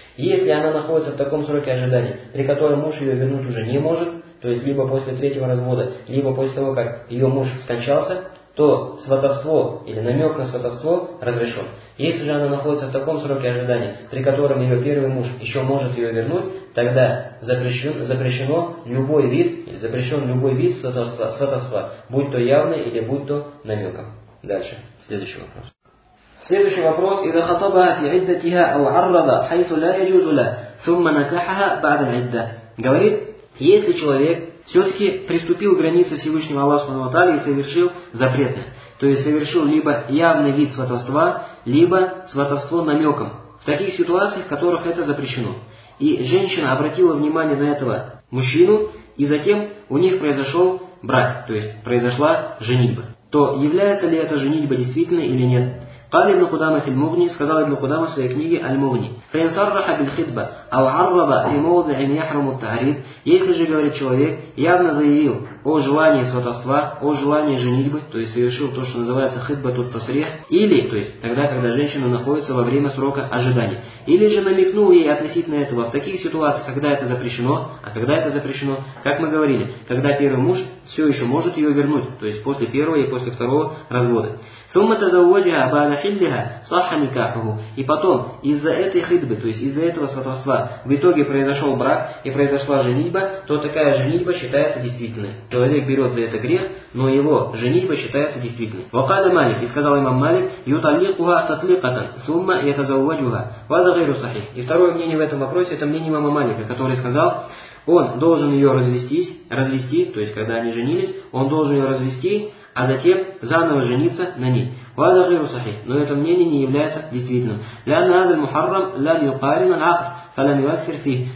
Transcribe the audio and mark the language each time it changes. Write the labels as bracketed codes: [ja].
[ru] Если она находится в таком сроке ожидания, при котором муж ее вернуть уже не может, то есть либо после третьего развода, либо после того, как ее муж скончался, то сватовство или намек на сватовство разрешен. Если же она находится в таком сроке ожидания, при котором ее первый муж еще может ее вернуть, тогда запрещен любой вид сватовства, будь то явный или будь то намеком. Дальше. Следующий вопрос. Следующий вопрос. [ar] إذا خطبها في عدتها أو عرض حيث لا يجوز له ثم نكحها بعد العدة. [ru] Говорит, если человек все-таки приступил к границе Всевышнего Аллаха и совершил запретное, то есть совершил либо явный вид сватовства, либо сватовство намеком, в таких ситуациях, в которых это запрещено. И женщина обратила внимание на этого мужчину, и затем у них произошел брак, то есть произошла женитьба. То является ли эта женитьба действительной или нет? [ar] قال ابن قدامة المغني сказал ابن قدامة [ru] в своей книге [ar] المغني فإن صرح بالخطبة أو عرض في موضع يحرم التعريض. [ru] Если же, говорит человек, явно заявил о желании сватовства, о желании женитьбы, то есть совершил то, что называется хитба тут тасрих, или, то есть тогда, когда женщина находится во время срока ожидания, или же намекнул ей относительно этого в таких ситуациях, когда это запрещено, а когда это запрещено, как мы говорили, когда первый муж все еще может ее вернуть, то есть после первого и после второго развода. [ar] ثم تزوجها بعد حلها صح نكاحه. [ru] И потом из-за этой хитбы, то есть из-за этого сватовства, в итоге произошел брак и произошла женитьба, то такая женитьба считается действительной. Человек берет за это грех, но его женитьба считается действительной. [ar] وقال مالك, [ru] и сказал имам Малик, [ar] يطلقها تطليقة ثم يتزوجها. هذا غير صحيح. [ru] И второе мнение в этом вопросе — это мнение имама Малика, который сказал: он должен ее развести, то есть когда они женились, он должен ее развести, а затем заново жениться на ней. [ar] Вада гайру сахих. [ru] Но это мнение не является действительным. [ar] Лянна азал мухаррам лям юкарин аль-акд фалям юассир фих.